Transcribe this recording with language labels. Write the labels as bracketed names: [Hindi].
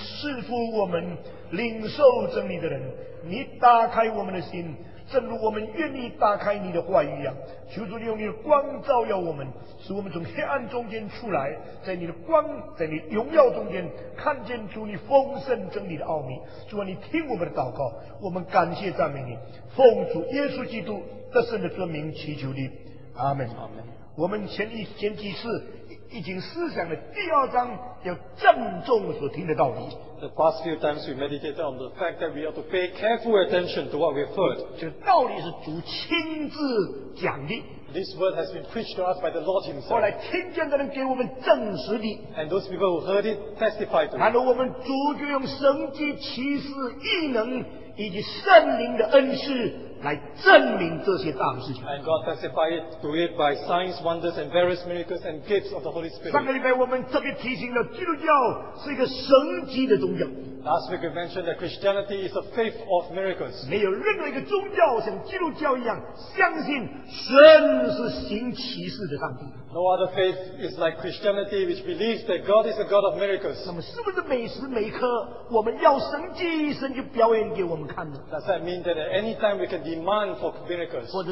[Chinese] 主啊求你赐福我们领受真理的人, 你打开我们的心, 正如我们愿意打开你的话语一样, 求主你用你的光照耀我们, 使我们从黑暗中间出来, 在你的光, 在你荣耀中间, 看见主你丰盛真理的奥秘, 主啊你听我们的祷告, 我们感谢赞美你, 奉主耶稣基督得胜的尊名祈求你, 阿们。我们前几次已经思想了第2章要郑重所听的道理, [English] the past few times we meditated on the fact that we ought to pay careful attention to what we've heard. [Chinese] 这个道理是主亲自讲的, [English] this word has been preached to us by the Lord himself. [Chinese] 后来听见的人给我们证实的, [English] and those people who heard it testified to it. [Chinese] 然后我们主就用神迹奇事异能, 以及圣灵的恩赐来证明这些大事情, [English] and God testified to it by signs, wonders, and various miracles and gifts of the Holy Spirit. [Chinese] 上个礼拜我们特别提醒了基督教是一个神迹的宗教, [English] last week we mentioned that Christianity is a faith of miracles. [Chinese] 没有任何一个宗教像基督教一样相信神是行奇事的上帝, [English] no other faith is like Christianity which believes that God is a God of miracles. [Chinese] 那么是不是每时每刻我们要神迹神就表演给我们看呢? [English] Does that mean that at any time we can demand for miracles?